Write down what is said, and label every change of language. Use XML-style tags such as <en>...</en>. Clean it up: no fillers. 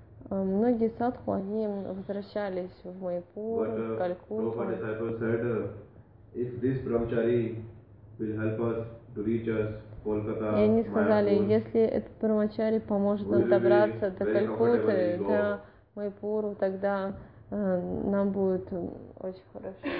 <ru>Многие садху, они возвращались в Майпур, в Калькутту.</ru> <en>Prabhupada disciple said, if this Brahmachari will help us to reach us,</en> <ru>и они сказали, если этот Парамачари поможет нам добраться до Калькутты, до Майпуру, тогда нам будет очень хорошо.</ru>